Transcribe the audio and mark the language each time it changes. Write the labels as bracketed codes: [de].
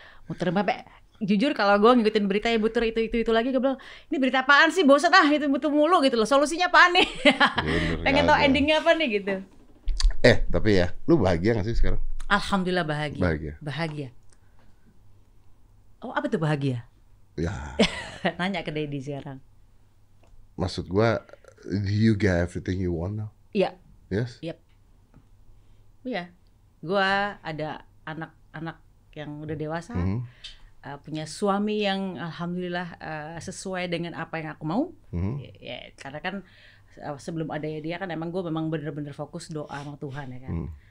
[id] Muter apa? Jujur kalau gue ngikutin berita ya butuh itu lagi, gue bilang ini berita apaan sih, bosan ah itu butuh mulu gitu loh. Solusinya apaan nih? Pengen tau endingnya apa nih gitu. Eh tapi ya, lu bahagia nggak sih sekarang? Alhamdulillah bahagia. Bahagia. Bahagia. Oh apa tuh bahagia? Ya. Nanya ke Daddy sekarang. Maksud gue, [en] do you get everything you want now? [id] Iya. [en] Yes? [id] Yep. Iya. Gue ada anak-anak yang udah dewasa, punya suami yang alhamdulillah sesuai dengan apa yang aku mau. Mm-hmm. Ya, karena kan sebelum adanya dia kan emang gue memang benar-benar fokus doa sama Tuhan ya kan.